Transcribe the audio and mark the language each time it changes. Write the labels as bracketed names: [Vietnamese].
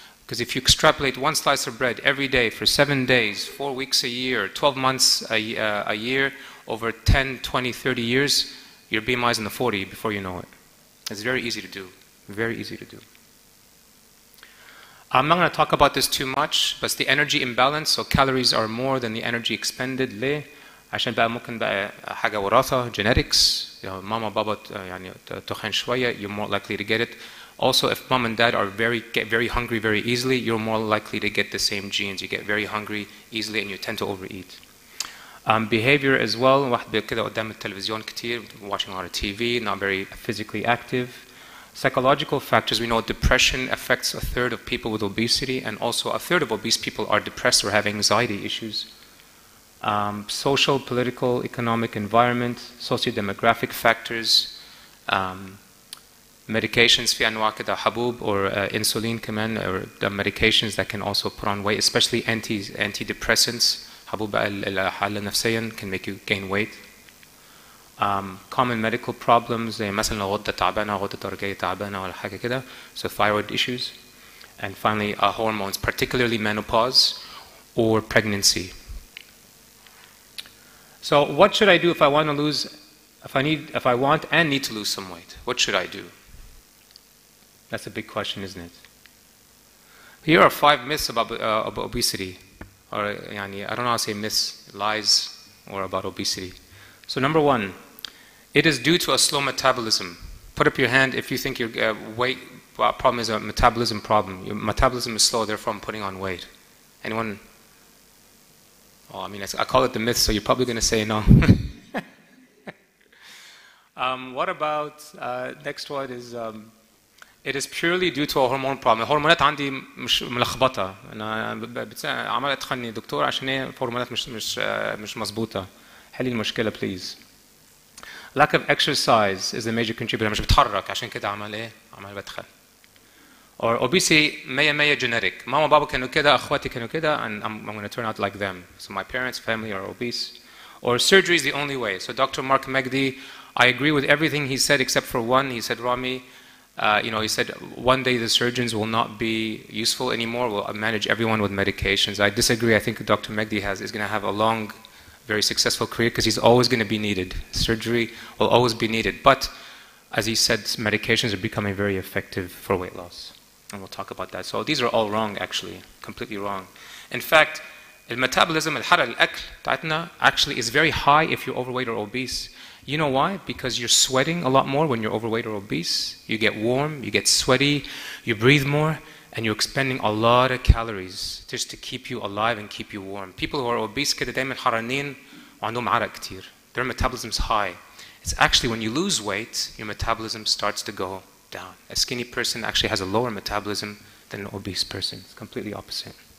[English] Because if you extrapolate one slice of bread every day for 7 days, 4 weeks a year, 12 months a year, over 10, 20, 30 years, your BMI is in the 40 before you know it. It's very easy to do. Very easy to do. I'm not going to talk about this too much, but it's the energy imbalance. So calories are more than the energy expended. [Arabic] عشان بقى ممكن بقى حاجة وراثة genetics ماما بابا يعني تخن شوية [English] you're more likely to get it. Also, if mom and dad are very hungry very easily, you're more likely to get the same genes. You get very hungry easily and you tend to overeat. Behavior as well. [Arabic] واحد بكده قدام التلفزيون كتير, [English] watching a lot of TV, not very physically active. Psychological factors. We know depression affects a third of people with obesity, and also a third of obese people are depressed or have anxiety issues. Social, political, economic environment, socio-demographic factors, medications, [Arabic] في أنواع كده حبوب [English] or insulin [Arabic] كمان [English] or the medications that can also put on weight, especially antidepressants. [Arabic] حبوب الحالة النفسية [English] can make you gain weight. Common medical problems, [Arabic] مثلا غدة تعبانة, غدة درجية تعبانة ولا حاجة كده, [English] so thyroid issues. And finally, hormones, particularly menopause or pregnancy. So what should I do if I want to lose, if I want and need to lose some weight? What should I do? That's a big question, isn't it? Here are five myths about obesity. Or, yani, I don't know how to say myths, lies, or about obesity. So number one, it is due to a slow metabolism. Put up your hand if you think your weight problem is a metabolism problem. Your metabolism is slow, therefore I'm putting on weight. Anyone? Oh, I mean, I call it the myth, so you're probably going to say no. what about, next one is, it is purely due to a hormone problem. [Arabic] هرمونات عندي مش ملخبطة. أنا عمال أتخني دكتور عشان هرمونات مش مزبوطة. حلي المشكلة, please. [English] Lack of exercise is a major contributor. [Arabic] مش بتحرك عشان كده عمال إيه؟ عمال بتخن. [English] Or obesity, [Arabic] maya maya [English] genetic. [Arabic] Mama, baba kanu keda, [English] akhwati kanu keda, and I'm going to turn out like them. So my parents, family are obese. Or surgery is the only way. So Dr. Mark Megdi, I agree with everything he said except for one. He said, Ramy, he said one day the surgeons will not be useful anymore. We'll manage everyone with medications. I disagree. I think Dr. Megdi is going to have a long, very successful career because he's always going to be needed. Surgery will always be needed. But as he said, medications are becoming very effective for weight loss. And we'll talk about that. So these are all wrong, actually, completely wrong. In fact, metabolism, [Arabic] الحرارة, الأكل, بتاعتنا, [English] actually is very high if you're overweight or obese. You know why? Because you're sweating a lot more when you're overweight or obese. You get warm, you get sweaty, you breathe more, and you're expending a lot of calories just to keep you alive and keep you warm. People who are obese, [Arabic] كده دايما حرانين وعندهم عرق كتير. [English] Their metabolism's high. It's actually when you lose weight, your metabolism starts to go down. A skinny person actually has a lower metabolism than an obese person. It's completely opposite.